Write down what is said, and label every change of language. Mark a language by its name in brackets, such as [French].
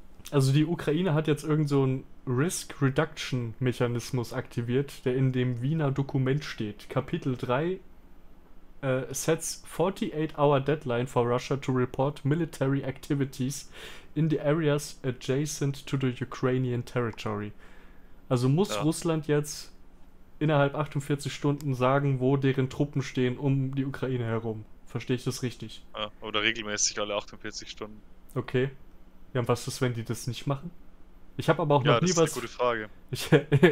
[German] Also die Ukraine hat jetzt irgend so einen Risk Reduction Mechanismus aktiviert, der in dem Wiener Dokument steht. Kapitel 3 [English] sets 48-hour deadline for Russia to report military activities in the areas adjacent to the Ukrainian territory. [German] Also muss Russland jetzt innerhalb 48 Stunden sagen, wo deren Truppen stehen um die Ukraine herum. Verstehe ich das richtig? Ja, oder regelmäßig alle 48 Stunden. Okay. Ja, und was ist, wenn die das nicht machen? Ich habe aber auch noch nie was... Ja, das ist eine gute Frage.